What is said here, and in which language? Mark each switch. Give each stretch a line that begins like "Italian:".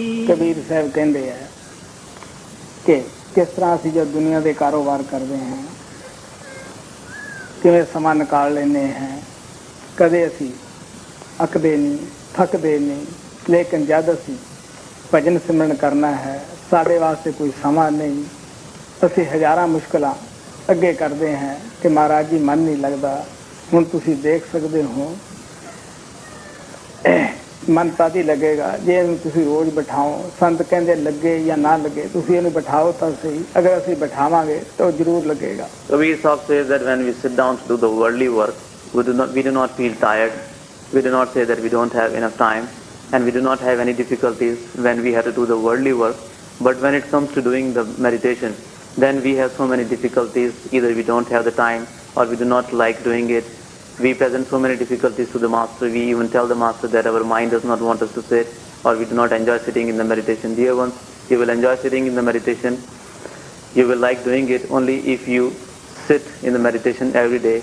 Hindi: कबीर साहब कहते हैं कि किस तरह से जो दुनिया के कारोबार कर रहे हैं,
Punjabi: किवें समा निकाल लेने हैं, कदे असी अकदे नहीं, थकदे नहीं, लेकिन जब असी भजन सिमरन करना है ਸਾਡੇ ਵਾਸਤੇ ਕੋਈ ਸਮਾਂ ਨਹੀਂ। ਅਸੀਂ ਹਜ਼ਾਰਾਂ ਮੁਸ਼ਕਲਾਂ ਅੱਗੇ ਕਰਦੇ ਹਾਂ ਕਿ ਮਹਾਰਾਜ ਜੀ ਮਨ ਨਹੀਂ ਲੱਗਦਾ। ਹੁਣ ਤੁਸੀਂ ਦੇਖ ਸਕਦੇ ਹੋ ਮਨ ਤਾਂ ਹੀ ਲੱਗੇਗਾ ਜੇ ਇਹਨੂੰ ਤੁਸੀਂ ਰੋਜ਼ ਬਿਠਾਓ। ਸੰਤ ਕਹਿੰਦੇ ਲੱਗੇ ਜਾਂ ਨਾ ਲੱਗੇ, ਤੁਸੀਂ ਇਹਨੂੰ ਬਿਠਾਓ ਤਾਂ ਸਹੀ, ਅਗਰ ਅਸੀਂ ਬਿਠਾਵਾਂਗੇ ਤਾਂ ਉਹ ਜ਼ਰੂਰ ਲੱਗੇਗਾ।
English: Kabir Sahib says that when we sit down to do the worldly work, we do not feel tired, we do not say that we don't have enough time and we do not have any difficulties when we have to do the worldly work. But when it comes to doing the meditation, then we have so many difficulties. Either we don't have the time or we do not like doing it. We present so many difficulties to the Master. We even tell the Master that our mind does not want us to sit, or we do not enjoy sitting in the meditation. Dear ones, you will enjoy sitting in the meditation. You will like doing it only if you sit in the meditation every day.